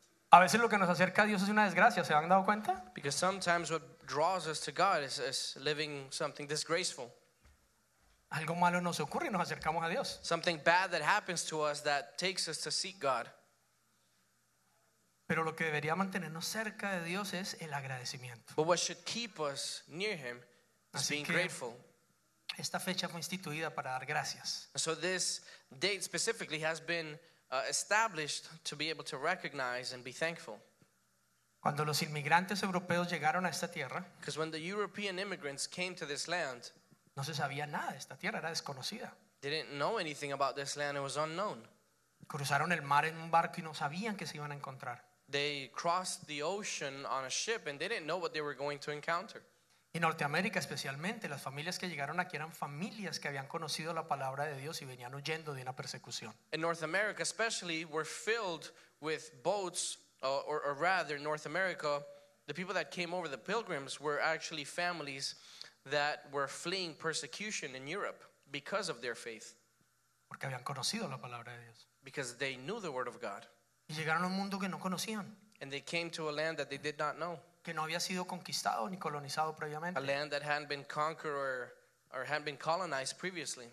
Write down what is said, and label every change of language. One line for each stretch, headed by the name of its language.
Spanish: A veces lo que nos acerca a Dios es una desgracia, ¿se han dado cuenta?
English: Because sometimes what draws us to God is living something disgraceful.
Spanish: Algo malo nos ocurre y nos acercamos a Dios.
English: Something bad that happens to us that takes us to seek God.
Spanish: Pero lo que debería mantenernos cerca de Dios es el agradecimiento.
English: But what should keep us near him is being grateful.
Spanish: Esta fecha fue instituida para dar gracias.
English: So this date specifically has been established to be able to recognize and be thankful.
Spanish: Cuando los inmigrantes europeos llegaron a esta tierra,
English: because when the European immigrants came to this land,
Spanish: no se sabía nada de esta tierra, era desconocida.
English: They didn't know anything about this land, it was unknown.
Spanish: Cruzaron el mar en un barco y no sabían qué se iban a encontrar.
English: They crossed the ocean on a ship and they didn't know what they were going to encounter.
Spanish: En Norteamérica especialmente, las familias que llegaron aquí eran familias que habían conocido la palabra de Dios y venían huyendo de una persecución.
English: In North America especially, were filled with boats, or rather North America, the people that came over, the pilgrims, were actually families that were fleeing persecution in Europe because of their faith.
Spanish: Porque habían conocido la palabra de Dios.
English: Because they knew the word of God.
Spanish: Y llegaron a un mundo que no conocían.
English: And they came to a land that they did not know.
Spanish: Que no había sido conquistado ni colonizado previamente.
English: A land that hadn't been conquered or hadn't been colonized previously.